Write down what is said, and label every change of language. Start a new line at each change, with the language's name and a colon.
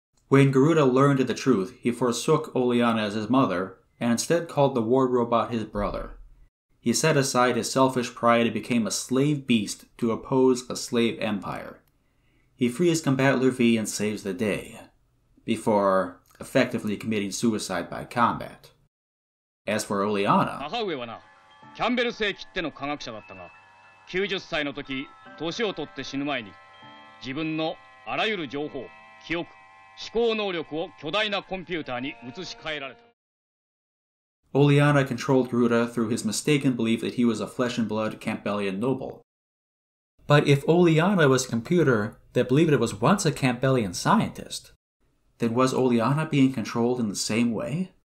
English: When Garuda learned the truth, he forsook Oleana as his mother and instead called the war robot his brother. He set aside his selfish pride and became a slave beast to oppose a slave empire. He frees Combattler V and saves the day, before effectively committing suicide by combat. As for Oleana...
Japanese: 母上はな、キャンベル星きっての科学者だったが、90歳の時、年を取って死ぬ前に、自分のあらゆる情報、記憶、思考能力を巨大なコンピューターに移し替えられた。
English: Oleana controlled Garuda through his mistaken belief that he was a flesh-and-blood Campbellian noble. But if Oleana was a computer that believed it was once a Campbellian scientist, then was Oleana being controlled in the same way?